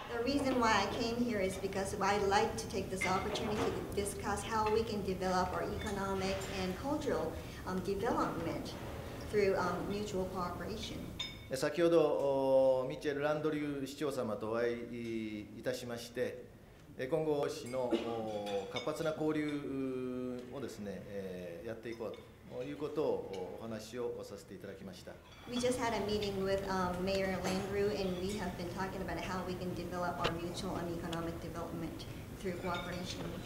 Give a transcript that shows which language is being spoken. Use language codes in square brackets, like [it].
[en] The reason why I came here is because I'd like to take this opportunity to discuss how we can develop our economic and cultural development through mutual cooperation. [ja] 先ほどミチェル・ランドリュー市長様とお会いいたしまして、今後市の活発な交流をですね、やっていこうということをお話をさせていただきました。 [en] We just had a meeting with Mayor Landrieu and we have been talking about how we can develop our mutual and economic development through cooperation.